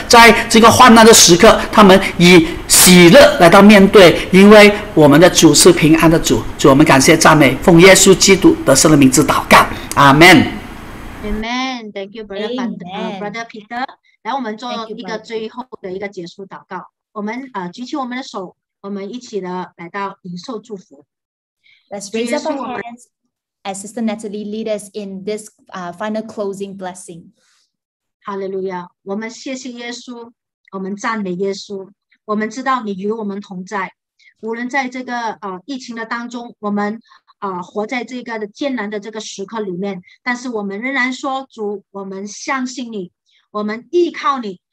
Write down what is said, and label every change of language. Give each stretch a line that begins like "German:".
Chinese: 在这个患难的时刻， 他们以喜乐来到面对， 因为我们的主是平安的主。主我们感谢赞美， 奉耶稣基督得胜的名字祷告， 阿们。
English: Amen. Thank you, Brother, Amen. Brother Peter.
Chinese: 来我们做一个最后的一个结束祷告。我们举起我们的手， 我们一起的来到领受祝福。
English: Let's raise up our hands as Sister Natalie lead us in this final closing blessing. Hallelujah.
Chinese: 我们谢谢耶稣， 我们赞美耶稣， 我们知道你与我们同在。无论在这个 疫情的当中， 我们 活在这个艰难的这个时刻里面， 但是我们仍然说， 主， 我们相信你， 我们依靠你，